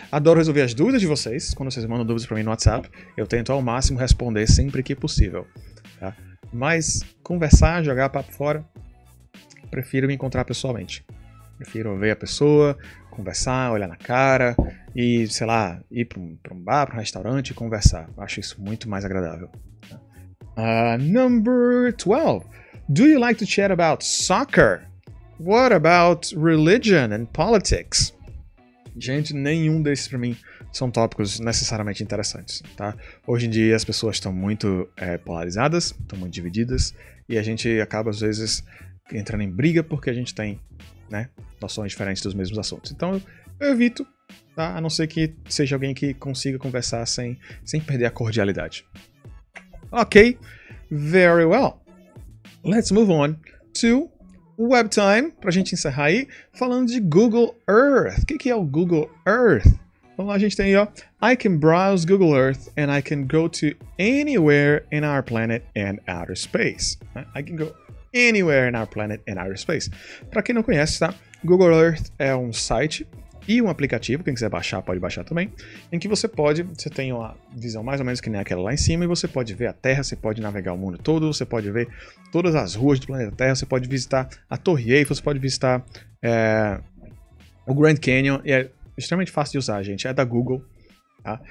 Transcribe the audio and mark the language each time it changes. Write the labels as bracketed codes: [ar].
[pt] Adoro resolver as dúvidas de vocês. Quando vocês mandam dúvidas pra mim no WhatsApp, eu tento ao máximo responder sempre que possível, tá? Mas conversar, jogar papo fora, prefiro me encontrar pessoalmente. Prefiro ver a pessoa, conversar, olhar na cara e, sei lá, ir para um bar, para um restaurante e conversar. Acho isso muito mais agradável. [en] Number 12. Do you like to chat about soccer? What about religion and politics? [pt] Gente, nenhum desses para mim são tópicos necessariamente interessantes, tá? Hoje em dia as pessoas estão muito polarizadas, estão muito divididas e a gente acaba às vezes entrando em briga porque a gente tem, né, noções diferentes dos mesmos assuntos. Então eu evito, tá? A não ser que seja alguém que consiga conversar sem perder a cordialidade. [en] Ok, very well. Let's move on to web time, [pt] pra gente encerrar aí, falando de [en] Google Earth. [pt] O que é o Google Earth? Vamos lá, a gente tem aí, ó. [en] I can browse Google Earth and I can go to anywhere in our planet and outer space. I can go anywhere in our planet and outer space. [pt] Pra quem não conhece, tá? Google Earth é um site e um aplicativo, quem quiser baixar, pode baixar também, em que você tem uma visão mais ou menos que nem aquela lá em cima, e você pode ver a Terra, você pode navegar o mundo todo, você pode ver todas as ruas do planeta Terra, você pode visitar a Torre Eiffel, você pode visitar o Grand Canyon, e é extremamente fácil de usar, gente, é da Google, tá?